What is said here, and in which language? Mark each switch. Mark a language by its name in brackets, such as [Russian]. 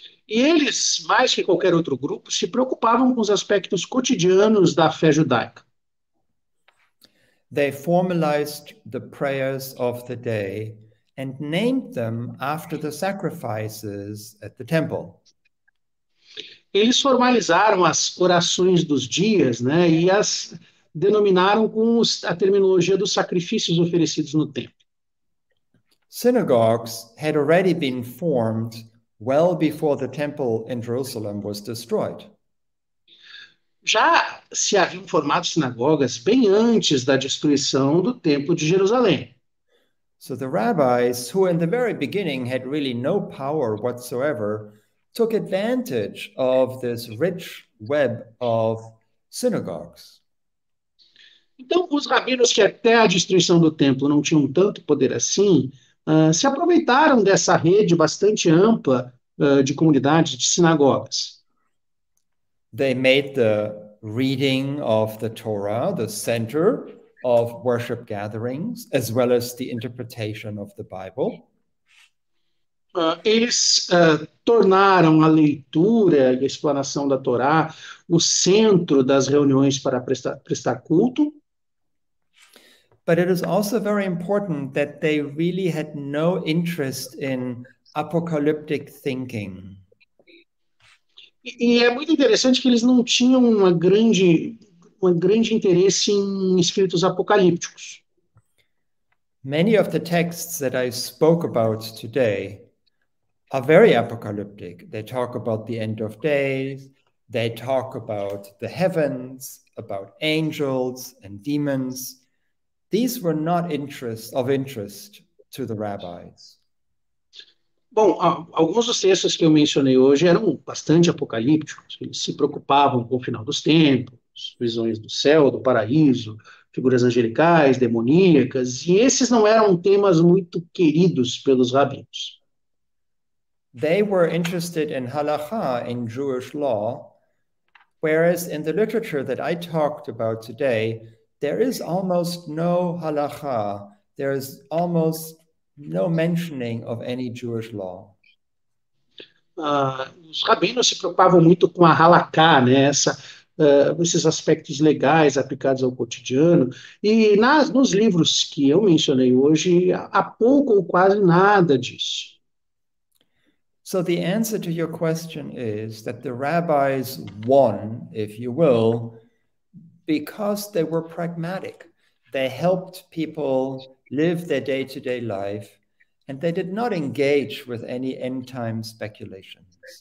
[Portuguese] E eles, mais que qualquer outro grupo, se preocupavam com os aspectos cotidianos da fé judaica. [English] They formalized the prayers of the day and named them after the sacrifices at the temple. [Portuguese] Eles formalizaram as orações dos dias, né, e as denominaram com a terminologia dos sacrifícios oferecidos no templo. [English] Synagogues had already been formed well before the temple in Jerusalem was destroyed. [Portuguese] Já se haviam formado sinagogas bem antes da destruição do templo de Jerusalém. [English] So the rabbis, who in the very beginning had really no power whatsoever, took advantage of this rich web of synagogues. [Portuguese] Então, os rabinos que até a destruição do templo não tinham tanto poder assim, se aproveitaram dessa rede bastante ampla de comunidades, de sinagogas. [English] They made the reading of the Torah the center of worship gatherings, as well as the interpretation of the Bible. [Portuguese] Eles tornaram a leitura e a explanação da Torá o centro das reuniões para prestar culto. [English] But it is also very important that they really had no interest in apocalyptic thinking. [Portuguese] E é muito interessante que eles não tinham um grande interesse em escritos apocalípticos. [English] Many of the texts that I spoke about today are very apocalyptic. They talk about the end of days, they talk about the heavens, about angels and demons. These were not of interest to the rabbis. [Portuguese] Bom, alguns dos textos que eu mencionei hoje eram bastante apocalípticos. Eles se preocupavam com o final dos tempos, visões do céu, do paraíso, figuras angelicais, demoníacas, e esses não eram temas muito queridos pelos rabinos. [English] They were interested in halakha, in Jewish law, whereas in the literature that I talked about today, there is almost no halakha, there is almost no mentioning of any Jewish law. [Portuguese] Os rabinos se preocupavam muito com a halakha, né? Esses aspectos legais aplicados ao cotidiano, e nos livros que eu mencionei hoje, há pouco ou quase nada disso. [English] So the answer to your question is that the rabbis won, if you will, because they were pragmatic. They helped people live their day-to-day life, and they did not engage with any end-time speculations.